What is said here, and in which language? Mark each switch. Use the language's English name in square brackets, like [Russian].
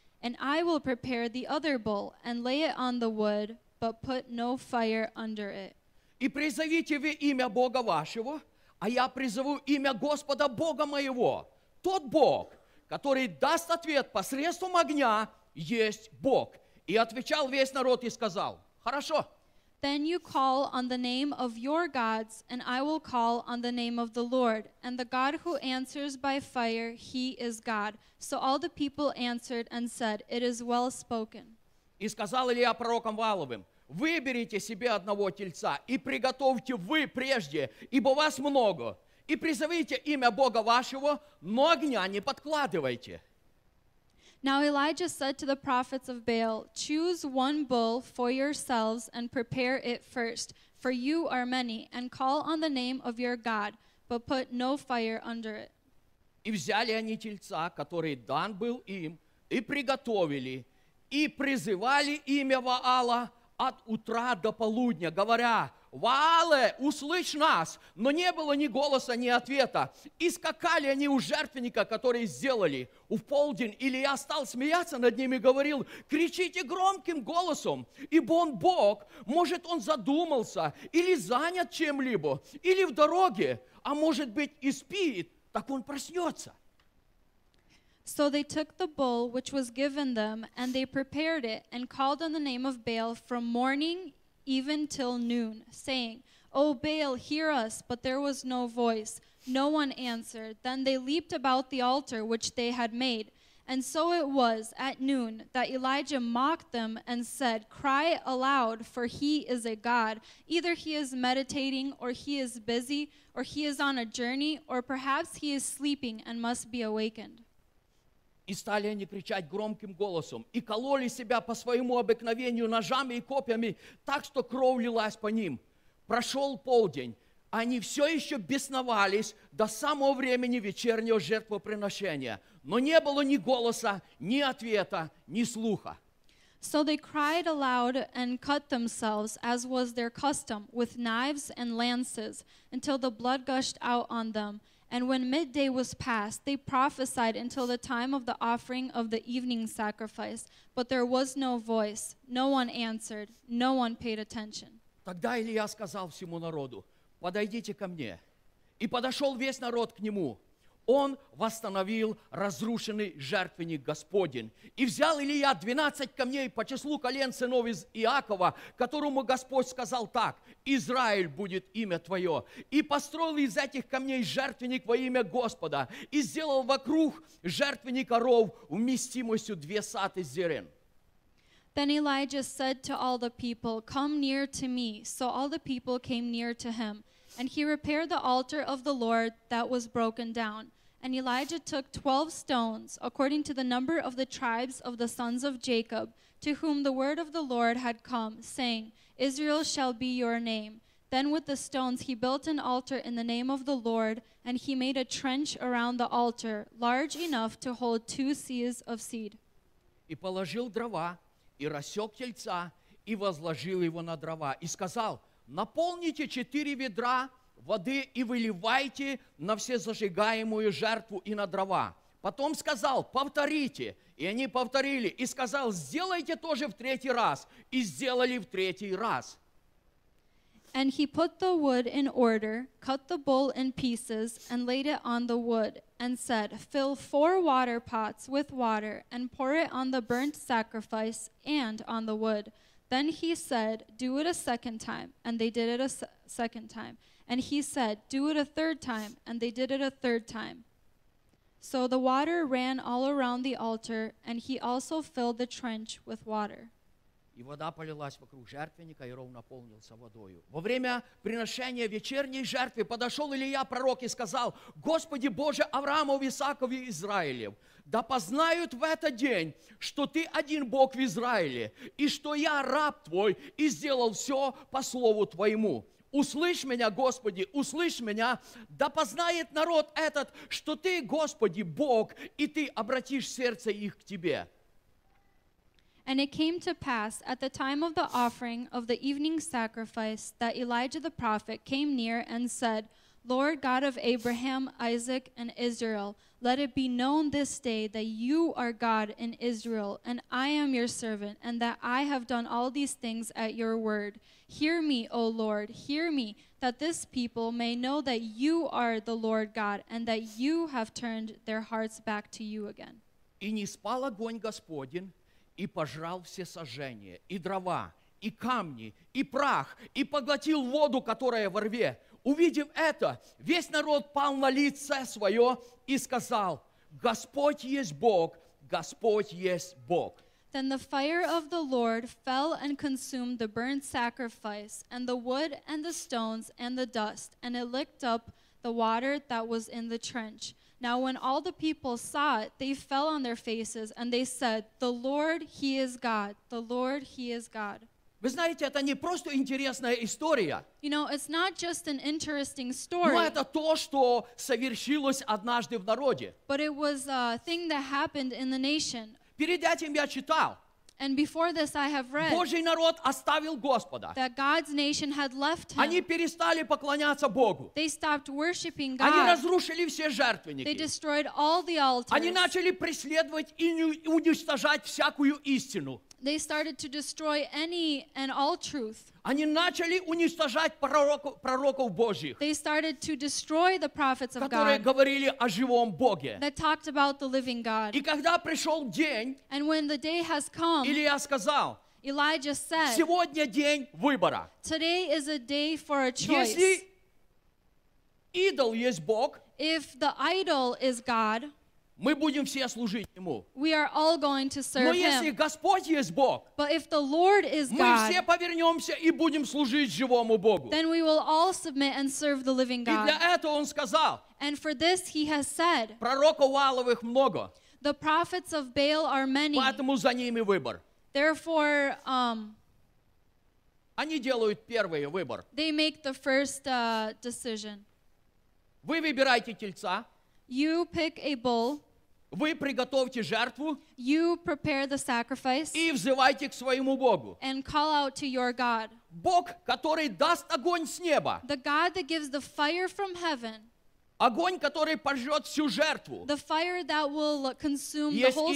[English] And I will prepare the other bull, and lay it on the wood, but put no fire under it. [Russian] И призовите вы имя Бога вашего, а я призову имя Господа Бога моего. Тот Бог, который даст ответ посредством огня, есть Бог. И отвечал весь народ и сказал, хорошо. [English] Then you call on the name of your gods, and I will call on the name of the Lord. And the God who answers by fire, he is God. So all the people answered and said, it is well spoken. [Russian] И сказал Илия пророкам Валовым, выберите себе одного тельца и приготовьте вы прежде, ибо вас много, и призовите имя Бога вашего, но огня не подкладывайте. [English] Now Elijah said to the prophets of Baal, choose one bull for yourselves and prepare it first, for you are many, and call on the name of your God, but put no fire under it. [Russian] И взяли они тельца, который дан был им, и приготовили, и призывали имя Ваала от утра до полудня, говоря, «Ваале, услышь нас!» Но не было ни голоса, ни ответа. И скакали они у жертвенника, который сделали. У полдень Илия стал смеяться над ними и говорил, «Кричите громким голосом, ибо он Бог! Может, он задумался или занят чем-либо, или в дороге, а может быть и спит, так он проснется». [English] So they took the bull which was given them, and they prepared it, and called on the name of Baal from morning even till noon, saying, O Baal, hear us. But there was no voice. No one answered. Then they leaped about the altar which they had made. And so it was at noon that Elijah mocked them and said, Cry aloud, for he is a god. Either he is meditating, or he is busy, or he is on a journey, or perhaps he is sleeping and must be awakened. [Russian] И стали они кричать громким голосом, и кололи себя по своему обыкновению ножами и копьями, так что кровь лилась по ним. Прошел полдень, они все еще бесновались до самого времени вечернего жертвоприношения, но не было ни голоса, ни ответа, ни слуха. [English] So they cried aloud and cut themselves, as was their custom, with knives and lances, until the blood gushed out on them. And when midday was past, they prophesied until the time of the offering of the evening sacrifice. But there was no voice. No one answered. No one paid attention. [Russian] Тогда Илия сказал всему народу, подойдите ко мне. И подошел весь народ к нему. Он восстановил разрушенный жертвенник Господень. И взял Илия 12 камней по числу колен сынов из Иакова, которому Господь сказал так, Израиль будет имя твое. И построил из этих камней жертвенник во имя Господа. И сделал вокруг жертвенника ров вместимостью 2 саты зерен. [English] Then Elijah said to all the people, come near to me. So all the people came near to him. And he repaired the altar of the Lord that was broken down. And Elijah took 12 stones, according to the number of the tribes of the sons of Jacob, to whom the word of the Lord had come, saying, Israel shall be your name. Then with the stones he built an altar in the name of the Lord, and he made a trench around the altar, large enough to hold 2 seahs of seed. [Russian] И положил дрова, и рассек тельца, и возложил его на дрова, и сказал, наполните 4 ведра воды и выливайте на все зажигаемую жертву и на дрова. Потом сказал, повторите. И они повторили. И сказал, сделайте тоже в 3-й раз. И сделали в 3-й раз. [English] And he put the wood in order, cut the bull in pieces, and laid it on the wood, and said, fill 4 water pots with water, and pour it on the burnt sacrifice and on the wood. Then he said, do it a second time, and they did it a second time. And he said, do it a third time, and they did it a third time. So the water ran all around the altar, and he also filled the trench with water. [Russian] И вода полилась вокруг жертвенника, и ров наполнился водою. Во время приношения вечерней жертвы подошел Илия, пророк, и сказал, Господи Боже Авраамов, Исаков и Израилев, да познают в этот день, что Ты один Бог в Израиле, и что я раб Твой, и сделал все по слову Твоему. Услышь меня, Господи, услышь меня, да познает народ этот, что ты, Господи, Бог, и ты обратишь сердце их к тебе. [English] And it came to pass at the time of the offering of the evening sacrifice that Elijah the prophet came near and said, Lord God of Abraham, Isaac, and Israel, let it be known this day that you are God in Israel, and I am your servant, and that I have done all these things at your word. Hear me, O Lord, hear me, that this people may know that you are the Lord God, and that you have turned their hearts back to you again. [Russian] И не спал огонь Господень, и пожрал все сожжения, и дрова, и камни, и прах, и поглотил воду, которая во рве. Увидев это, весь народ пал на лице свое и сказал, Господь есть Бог, Господь есть Бог. [English] Then the fire of the Lord fell and consumed the burnt sacrifice, and the wood, and the stones, and the dust, and it licked up the water that was in the trench. Now when all the people saw it, they fell on their faces, and they said, The Lord, He is God, the Lord, He is God. [Russian] Вы знаете, это не просто интересная история. [English] You know, it's not just an interesting story. [Russian] Но это то, что совершилось однажды в народе. [English] But it was a thing that happened in the nation. [Russian] Перед этим я читал. [English] And before this I have read. [Russian] Божий народ оставил Господа. [English] That God's nation had left him. [Russian] Они перестали поклоняться Богу. [English] They stopped worshiping God. [Russian] Они разрушили все жертвенники. [English] They destroyed all the altars. [Russian] Они начали преследовать и уничтожать всякую истину. [English] They started to destroy any and all truth. [Russian] Они начали уничтожать пророков Божьих. [English] They started to destroy the prophets of God. [Russian] Которые говорили о живом Боге. [English] That talked about the living God. [Russian] И когда пришел день, [English] and when the day has come, [Russian] Илия сказал, [English] Elijah said, [Russian] сегодня день выбора. [English] Today is a day for a choice. [Russian] Если идол есть Бог, [English] if the idol is God, [Russian] мы будем все служить Ему. [English] We are all going to serve [Russian] Но если [English] him. [Russian] Господь есть Бог, [English] But if the Lord is [Russian] мы [English] God, [Russian] все повернемся и будем служить живому Богу. [English] Then we will all submit and serve the living God. [Russian] И для этого Он сказал, [English] and for this he has said, [Russian] пророков Вааловых много, [English] the prophets of Baal are many, [Russian] поэтому за ними выбор. [English] Therefore, [Russian] они делают первый выбор. [English] They make the first, decision. [Russian] Вы выбираете тельца, [English] You pick a bull. [Russian] Вы приготовьте жертву. [English] You prepare the sacrifice. [Russian] И взывайте к своему Богу. [English] And call out to your God. [Russian] Бог, который даст огонь с неба. [English] The God that gives the fire from heaven. [Russian] Огонь, который пожжет всю жертву. [English] The fire that will consume the whole sacrifice.